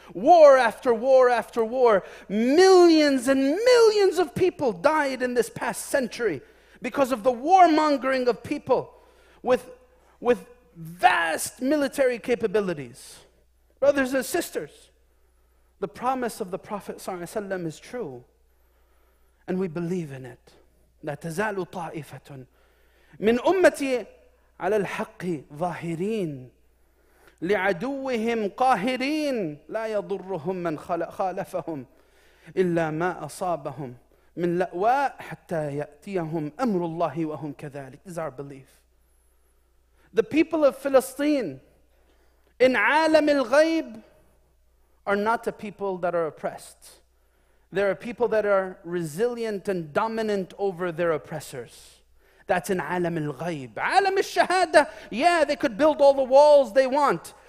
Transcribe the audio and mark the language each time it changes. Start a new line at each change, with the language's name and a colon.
English: War after war after war. Millions and millions of people died in this past century because of the warmongering of people with vast military capabilities. Brothers and sisters, the promise of the Prophet ﷺ is true, and we believe in it.
Arabic: لَا تَزَالُ طَائِفَةٌ مِنْ أُمَّتِي على الحق ظاهرين لعدوهم قاهرين لا يضرهم من خالفهم إلا ما أصابهم من لأواء حتى يأتيهم أمر الله وهم كذلك.
English: This is our belief. The people of Palestine in
Arabic: عالم الغيب
English: are not a people that are oppressed. They are a people that are resilient and dominant over their oppressors. That's in alam al-ghayb. Alam al-shahada, yeah, they could build all the walls they want.